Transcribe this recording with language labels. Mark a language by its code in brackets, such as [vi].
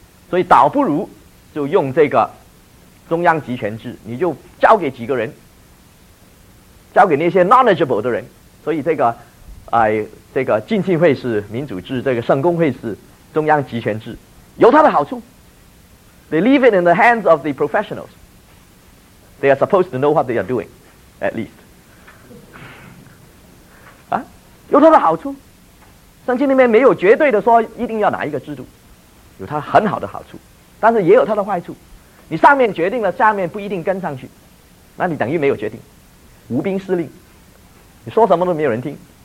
[zh] 所以倒不如就用这个中央集权制，你就交给几个人，交给那些 knowledgeable 的人。所以这个这个浸信会是民主制，这个圣公会是中央集权制，有它的好处。 [en] They leave it in the hands of the professionals. They are supposed to know what they are doing, at least. [zh] 啊，有它的好处。圣经里面没有绝对的说一定要哪一个制度，有它很好的好处，但是也有它的坏处。你上面决定了，下面不一定跟上去，那你等于没有决定，无兵司令，你说什么都没有人听。